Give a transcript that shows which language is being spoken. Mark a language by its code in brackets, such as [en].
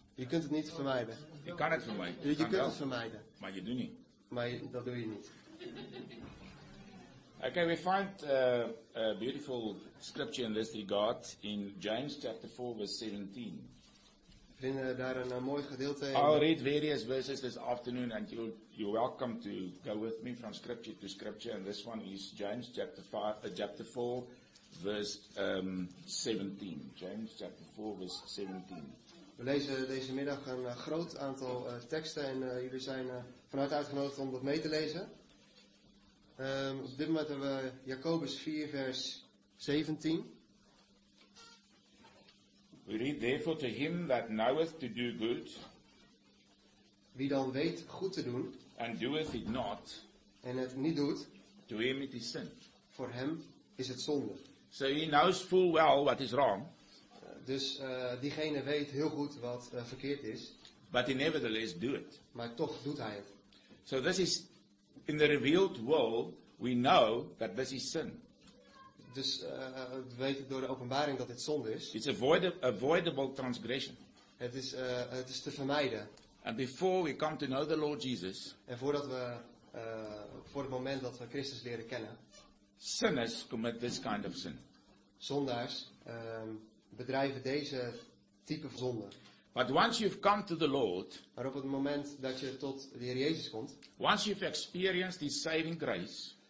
[nl] Je kunt het niet vermijden. Je kan het vermijden. Je kunt het vermijden. Maar je doet niet. Maar dat doe je niet. [en] Okay, we find a beautiful scripture in this regard in James chapter 4 verse 17. [nl] We vinden daar een mooi gedeelte in. [en] I'll read various verses this afternoon and you're welcome to go with me from scripture to scripture. And this one is James chapter 5, chapter 4 verse 17. James chapter 4 verse 17. [nl] We lezen deze middag een groot aantal teksten en jullie zijn vanuit uitgenodigd om dat mee te lezen. Op dit moment hebben we Jacobus 4 vers 17. [en] We read therefore to him that knoweth to do good. [nl] Wie dan weet goed te doen. [en] And doeth it not. [nl] En het niet doet. [en] To him it is sin. [nl] Voor hem is het zonde. [en] So he knows full well what is wrong. [nl] Dus diegene weet heel goed wat verkeerd is. [en] But he nevertheless do it. [nl] Maar toch doet hij het. [en] So this is in the revealed will, we know that this is sin. [nl] Dus we weten door de openbaring dat dit zonde is. [en] It's avoidable transgression. [nl] Het is te vermijden. [en] And before we come to know the Lord Jesus. [nl] En voordat we voor het moment dat we Christus leren kennen. [en] Sinners commit this kind of sin. [nl] Zondaars bedrijven deze type van zonde. [en] But once you've come to the Lord, [nl] maar op het moment dat je tot de Heer Jezus komt, [en] once you've experienced His saving grace,